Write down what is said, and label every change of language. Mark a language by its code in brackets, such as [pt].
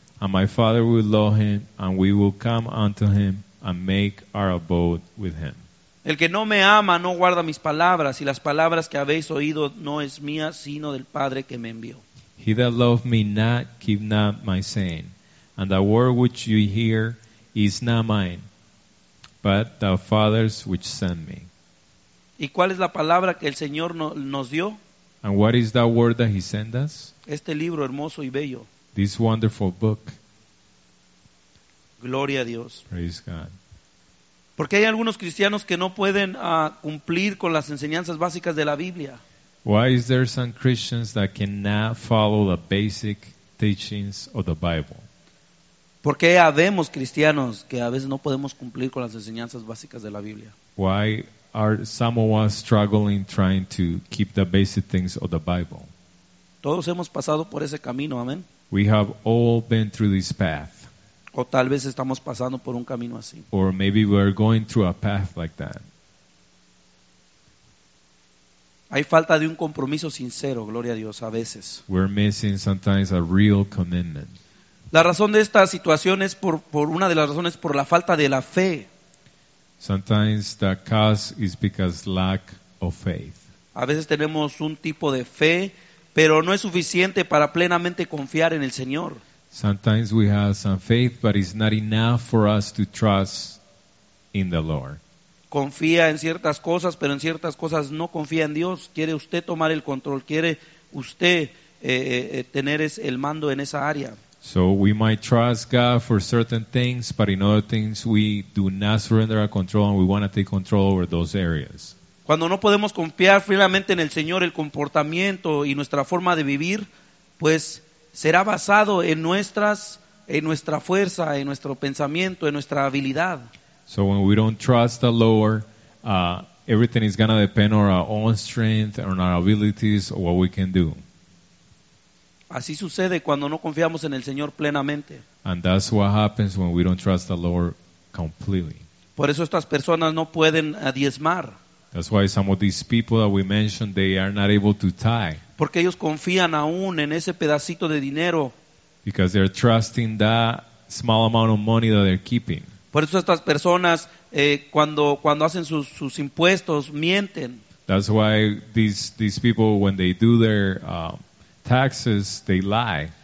[en] And my Father will love him, and we will come unto him, and make our abode with him. [es] El que no me ama, no guarda mis palabras, y las palabras que habéis oído no es mía, sino del Padre que me envió. [en] He that love me not, keep not my saying. And the word which you hear is not mine. But the fathers which sent me. [es] ¿Y cuál es la palabra que el Señor nos dio? [en] And what is that word that he sent us? [es] Este libro hermoso y bello. [en] This wonderful book. [es] Gloria a Dios. [en] Praise God. [es] Porque hay algunos cristianos que no pueden cumplir con las enseñanzas básicas de la Biblia. [en] Why is there some Christians that cannot follow the basic teachings of the Bible? [es] Porque habemos cristianos que a veces no podemos cumplir con las enseñanzas básicas de la Biblia. [en] Why are some of us struggling trying to keep the basic things of the Bible? [es] Todos hemos pasado por ese camino, amén. [en] We have all been through this path. [es] O tal vez estamos pasando por un camino así. [en] Or maybe we're going through a path like that. [es] Hay falta de un compromiso sincero, gloria a Dios, a veces. [en] We're missing sometimes a real commitment. [es] La razón de esta situación es por una de las razones por la falta de la fe. [en] Sometimes the cause is because lack of faith. [es] A veces tenemos un tipo de fe, pero no es suficiente para plenamente confiar en el Señor. [en] Sometimes we have some faith, but it's not enough for us to trust in the Lord. [es] Confía en ciertas cosas, pero en ciertas cosas no confía en Dios. ¿Quiere usted tomar el control? ¿Quiere usted tener el mando en esa área? [en] So we might trust God for certain things, but in other things we do not surrender our control and we want to take control over those areas. [es] Cuando no podemos confiar firmemente en el Señor, el comportamiento y nuestra forma de vivir, pues será basado en nuestra fuerza, en nuestro pensamiento, en nuestra habilidad. [en] So when we don't trust the Lord, everything is going to depend on our own strength, on our abilities, or what we can do. [es] Así sucede cuando no confiamos en el Señor plenamente. [en] And that's what happens when we don't trust the Lord completely. [es] Por eso estas personas no pueden diezmar. [en] That's why some of these people that we mentioned, they are not able to tithe. [es] Porque ellos confían aún en ese pedacito de dinero. [en] Because they're trusting that small amount of money that they're keeping. [es] Por eso estas personas cuando hacen sus impuestos mienten. [en] That's why these people, when they do their taxes, they lie.